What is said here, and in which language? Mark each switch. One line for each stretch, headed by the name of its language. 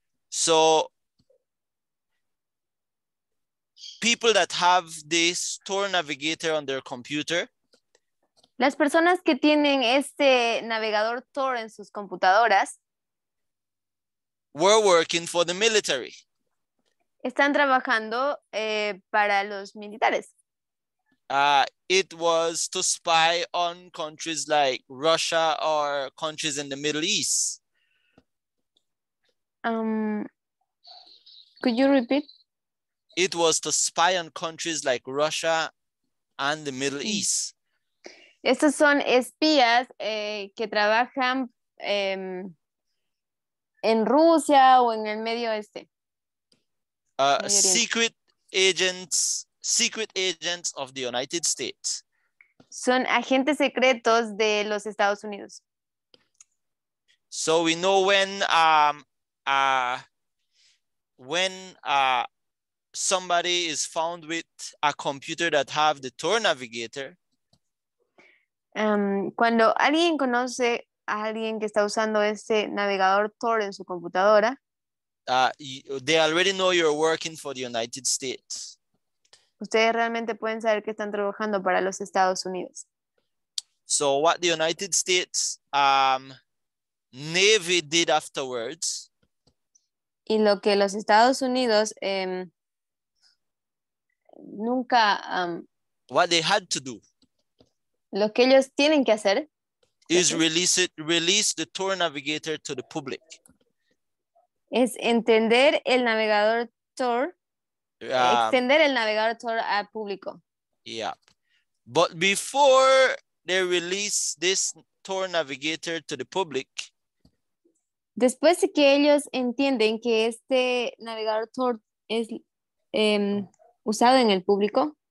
English: So people that have this Tor navigator on their computer.
Spanish: Las personas que tienen este navegador Tor en sus computadoras.
English: Were working for the military.
Spanish: Están trabajando para los militares.
English: It was to spy on countries like Russia or countries in the Middle East. Could you repeat? It was to spy on countries like Russia and the Middle East.
Spanish: Estos son espías que trabajan en Rusia o en el Medio Este.
English: Secret agents of the United States.
Spanish: Son agentes secretos de los Estados Unidos.
English: So we know when somebody is found with a computer that have the Tor navigator.
Spanish: Cuando alguien conoce a alguien que está usando este navegador Tor en su computadora.
English: They already know you're working for the United States.
Spanish: Ustedes realmente pueden saber que están trabajando para los Estados Unidos.
English: So what the United States Navy did afterwards.
Spanish: Y lo que los Estados Unidos nunca...
English: what they had to do.
Spanish: Lo que ellos tienen que hacer.
English: Is release the Tor navigator to the public.
Spanish: Es entender el navegador Tor, extender el navegador Tor al público.
English: Yeah. But before they release this Tor navigator to the public.
Spanish: Después de que ellos entienden que este navegador Tor es usado en el público.